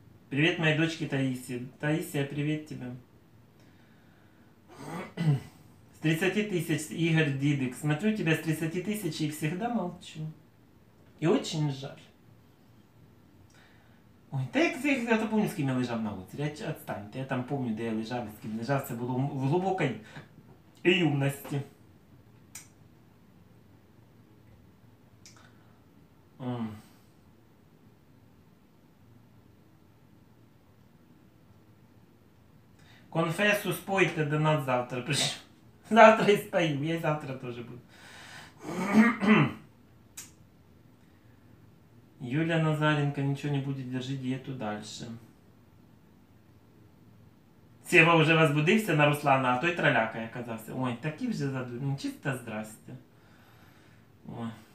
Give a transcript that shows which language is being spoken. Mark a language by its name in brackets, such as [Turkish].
[Russian] Привет моей дочке Таисе. Таисия, привет тебе. С 30 тысяч, Игорь Дидик. Смотрю тебя с 30 тысяч и всегда молчу. И очень жаль. [Ukrainian] Ой, та я то помню, з ким я лежав на лоці. [Russian] Отстаньте, [Ukrainian] я там помню, де я лежав, з ким лежав. Це було в глибокій юності. Конфесу спойте до нас завтра. Завтра і спою, я завтра теж буду. [Russian] Юля Назаренко, ничего не будет, держи диету дальше. Сева уже возбудился на Руслана, а той траляка оказался. Ой, такие же задумки. Ну, чисто здрасте. Ой.